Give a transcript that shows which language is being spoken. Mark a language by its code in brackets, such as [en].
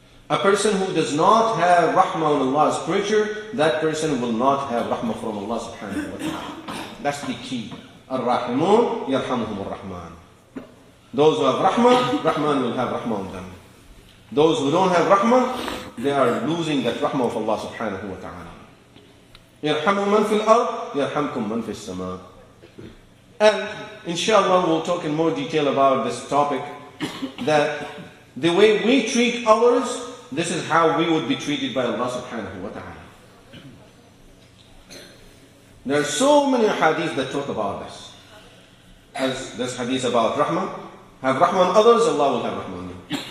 [en] A person who does not have rahmah on Allah's creature, that person will not have rahmah from Allah subhanahu wa ta'ala. That's the key. [ar] Ar-Rahimun yarhamuhum ar-Rahman. [en] Those who have rahmah, Rahman will have rahmah on them. Those who don't have rahmah, they are losing that rahmah of Allah subhanahu wa ta'ala. [ar] يرحم من في الأرض يرحمكم من في السماء. [en] And inshallah we'll talk in more detail about this topic, that the way we treat others, this is how we would be treated by Allah subhanahu wa ta'ala. There are so many hadith that talk about this. As this hadith about rahmah, have rahmah on others, Allah will have rahmah on you.